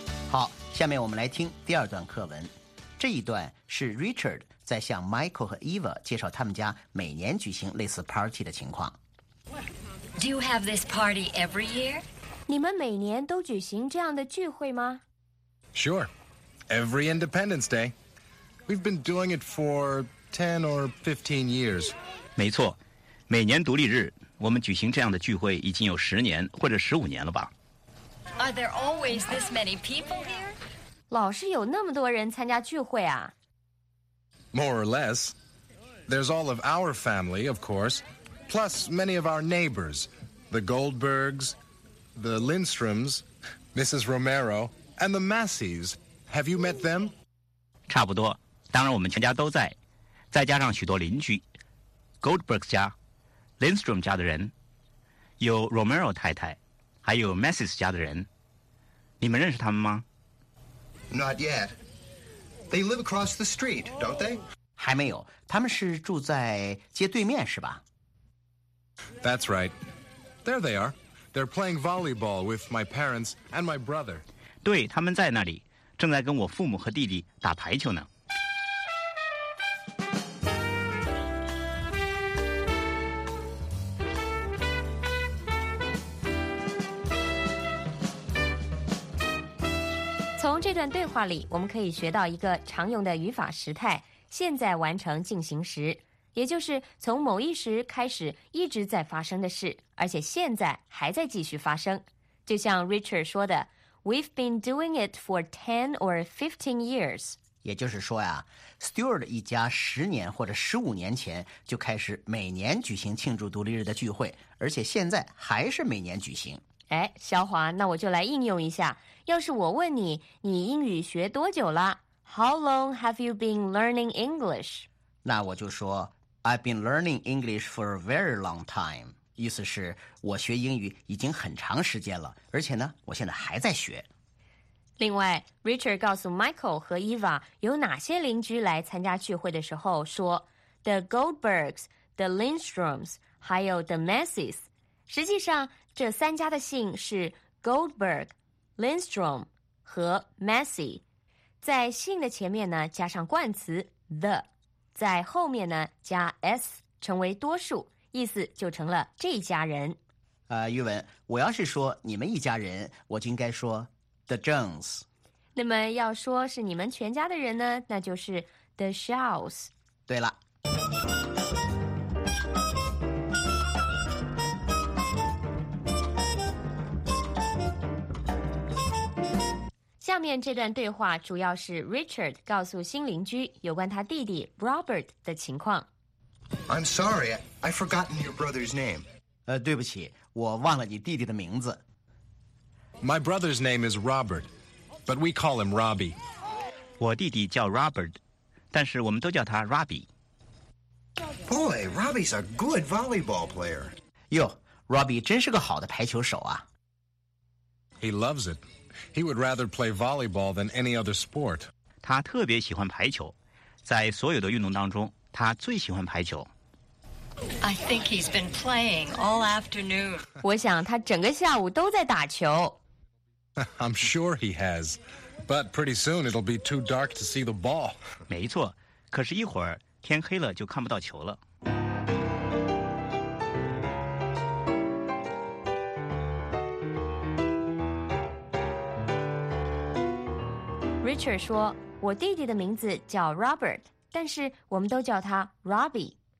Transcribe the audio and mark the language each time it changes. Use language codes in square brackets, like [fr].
[zh] 好，下面我们来听第二段课文。这一段是 Richard 在向 Michael 和 Eva 介绍他们家每年举行类似 party 的情况。 [en] Do you have this party every year? [zh] 你们每年都举行这样的聚会吗？ [en] Sure. Every Independence Day. We've been doing it for 10 or 15 years. [zh] 没错，每年独立日，我们举行这样的聚会已经有十年或者十五年了吧。 [en] Are there always this many people here? [zh] 老是有那么多人参加聚会啊。 [en] More or less. There's all of our family, of course. Plus many of our neighbors. The Goldbergs, the Lindstroms, Mrs. Romero, and the Masseys. Have you met them? [zh] 差不多，当然我们全家都在，再加上许多邻居。 Goldberg 家， Lindstrom 家的人，有 Romero 太太。还有 Masseys 家的人，你们认识他们吗？ [en] Not yet. They live across the street, don't they? [zh] 还没有，他们是住在街对面，是吧？ [en] That's right. There they are. They're playing volleyball with my parents and my brother. [zh] 对，他们在那里，正在跟我父母和弟弟打排球呢。从这段对话里，我们可以学到一个常用的语法时态，现在完成进行时，也就是从某一时开始一直在发生的事，而且现在还在继续发生。就像 Richard 说的 [en] We've been doing it for 10 or 15 years。 [zh] 也就是说呀， Stewart 一家十年或者十五年前就开始每年举行庆祝独立日的聚会，而且现在还是每年举行。哎，小华，那我就来应用一下。要是我问你，你英语学多久了？ [en] How long have you been learning English? [zh] 那我就说 [en] I've been learning English for a very long time. [zh] 意思是我学英语已经很长时间了，而且呢，我现在还在学。另外 ，Richard 告诉 Michael 和 Eva 有哪些邻居来参加聚会的时候说 ： [en] “The Goldbergs, the Lindstroms, [zh] 还有 the Messies。” 实际上，这三家的姓是 Goldberg、Lindstrom 和 Messy， 在姓的前面呢加上冠词 the， 在后面呢加 s 成为多数，意思就成了这一家人。玉文，我要是说你们一家人，我就应该说 the Jones。那么要说是你们全家的人呢，那就是 the Shaws。对了。下面这段对话主要是 Richard 告诉新邻居有关他弟弟 Robert 的情况。 [en] I'm sorry, I've forgotten your brother's name. [zh] 对不起，我忘了你弟弟的名字。 [en] My brother's name is Robert, but we call him Robbie. [zh] 我弟弟叫 Robert, 但是我们都叫他 Robbie. [en] Boy, Robbie's a good volleyball player. [zh] 哟 ，Robbie 真是个好的排球手啊。 [en] He loves it. He would rather play volleyball than any other sport. [zh] 他特别喜欢排球，在所有的运动当中，他最喜欢排球。 [en] I think he's been playing all afternoon. [zh] 我想他整个下午都在打球。 [en] I'm sure he has, but pretty soon it'll be too dark to see the ball. [zh] 没错，可是一会儿天黑了就看不到球了。 Richard 说，我弟弟的名字叫 Robert， 但是我们都叫他 Robbie。